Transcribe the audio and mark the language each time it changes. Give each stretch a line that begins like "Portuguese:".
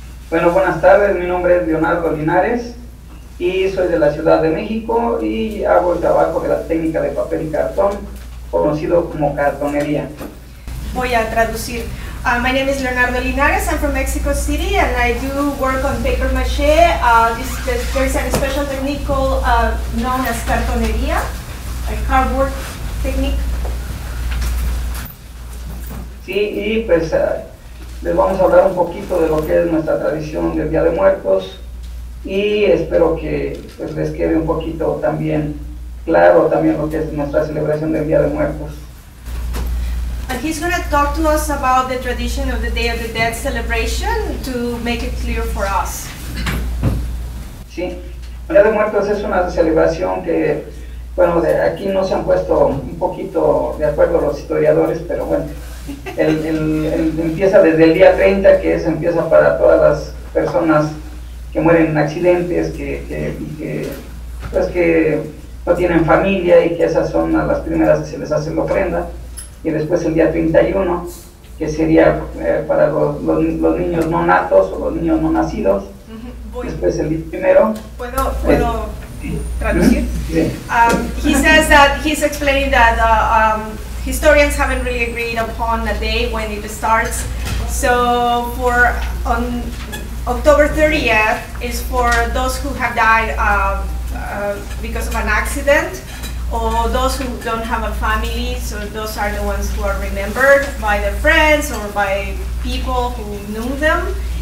Spanish: Bueno, buenas tardes, mi nombre es Leonardo Linares y soy de la Ciudad de México y hago el trabajo de la técnica de papel y cartón, conocido como cartonería. Voy a traducir.
English: My name is Leonardo Linares. I'm from Mexico City, and I do work on paper mache. There's a special technique called known as cartonería, a cardboard technique.
Spanish: Sí, y pues les vamos a hablar un poquito de lo que es nuestra tradición del Día de Muertos, y espero que pues, les quede un poquito también claro también lo que es nuestra celebración del Día de Muertos.
English: And he's going to talk to us about the tradition of the Day of the Dead celebration to make it clear for us.
Spanish: Sí, Día de Muertos es una celebración que, bueno, de aquí no se han puesto un poquito de acuerdo los historiadores, pero bueno, empieza desde el día 30, que es empieza para todas las personas que mueren en accidentes, que no tienen familia y que esas son las primeras que se les hace la ofrenda. Y después el día 31, que sería para los niños no natos o los niños no nacidos. Después el día primero. ¿Puedo traducir?
English: Sí. He says that, he's explaining that historians haven't really agreed upon a day when it starts. So for on October 30th is for those who have died because of an accident, or those who don't have a family, so those are the ones who are remembered by their friends or by people who knew them.